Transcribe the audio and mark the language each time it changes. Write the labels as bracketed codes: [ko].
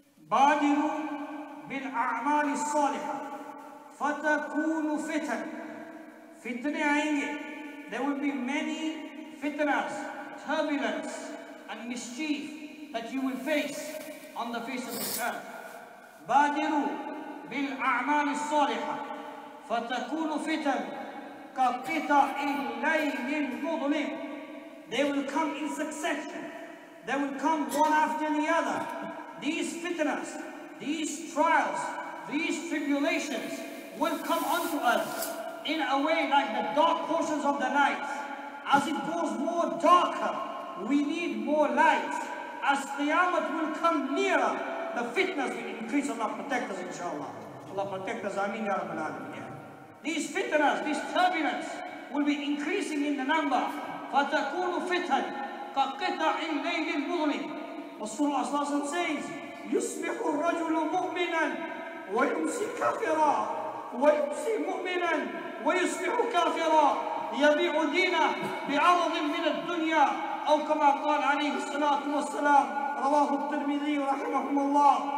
[ar] بادروا بالاعمال الصالحه فتكون فتن. [ur] فتنے آئیں گے, [en] there will be many fitnas, turbulence and mischief that you will face on the face of this earth. [ar] بادروا بالاعمال الصالحه فتكون فتن كقطع الليل المظلم. [en] They will come in succession, they will come one after the other. These fitnas, these trials, these tribulations will come onto us in a way like the dark portions of the night. As it goes more darker, we need more light. As Qiyamah will come nearer, the fitnas will increase. Allah protect us, inshallah. Allah protect us, ameen ya Rabbil Alameen. These fitnas, these turbulence will be increasing in the number. [ar] فَتَكُونُ فِتْنَ كَقِطَعِ اللَّيْلِ الْمُظْلِمِ. [en] Rasulullah says, [ar] يُصْبِحُ الرَّجُلُ مُؤْمِنًا وَيُمْسِي كَافِرًا وَيُمْسِي مُؤْمِنًا وَيُصْبِحُ كَافِرًا يَبِيعُ دِينَهُ بِعَرَضٍ مِنَ الدُّنْيَا أَوْ كَمَا قَالَ عَلَيْهِ الصَّلَاةُ وَالسَّلَامُ رَوَاهُ التِّرْمِذِيُّ رَحِمَهُ اللَّهُ.